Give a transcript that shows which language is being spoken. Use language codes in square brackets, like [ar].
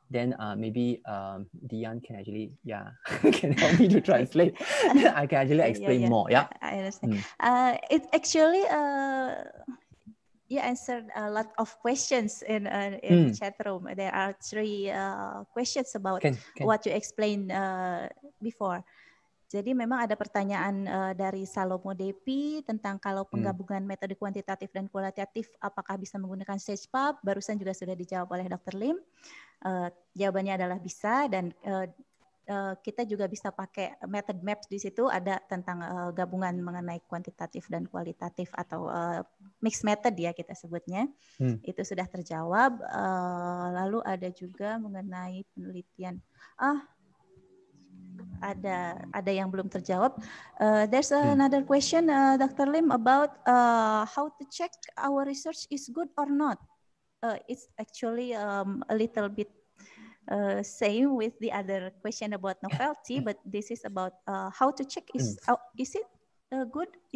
[en] Then maybe Dion can actually can help me to translate. I can actually explain more. Yeah. I understand. Mm. It actually you answered a lot of questions in the chat room. There are three questions about what you explained before. [id] Jadi memang ada pertanyaan dari Salomo Depi tentang kalau penggabungan metode kuantitatif dan kualitatif apakah bisa menggunakan SagePub? Barusan juga sudah dijawab oleh Dr. Lim. Jawabannya adalah bisa dan kita juga bisa pakai method maps di situ ada tentang gabungan mengenai kuantitatif dan kualitatif atau mixed method ya kita sebutnya. Itu sudah terjawab. Lalu ada juga mengenai penelitian. Ada yang belum terjawab. [en] There's another question, Dr. Lim, about how to check our research is good or not. It's actually a little bit same with the other question about novelty, but this is about how to check is it good?